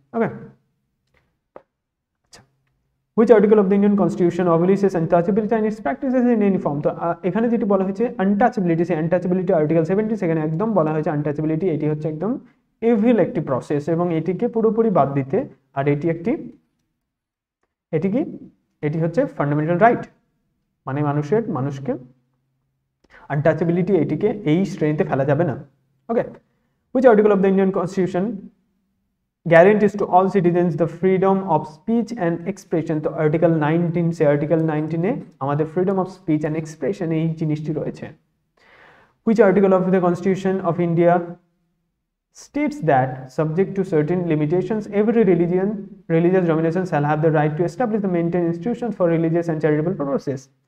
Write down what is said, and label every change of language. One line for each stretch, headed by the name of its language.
Bangla: Okay,
English: which article of the Indian constitution abolishes untouchability and its practices in any form?
Bangla: তো এখানে যেটি বলা হয়েছে untouchability, সেই untouchability article 70, সেখানে একদম বলা হয়েছে untouchability এটি হচ্ছে একদম evil একটি process এবং এটিকে পুরোপুরি বাদ দিতে, আর এটি একটি এটি কি এটি হচ্ছে fundamental right, মানে মানুষের মানুষকে untouchability এটিকে এই শ্রেণীতে ফেলা যাবে না।
English: Okay, which article of the Indian constitution guarantees to all citizens the freedom of speech and expression?
Bangla: তো আর্টিকেল 19, সে আর্টিকেল 19 এ আমাদের freedom of speech and expression এই জিনিসটি রয়েছে।
English: Which article of the constitution of India states that subject to certain limitations every religion religious domination shall have the right to establish the maintain institution for religious and charitable purposes.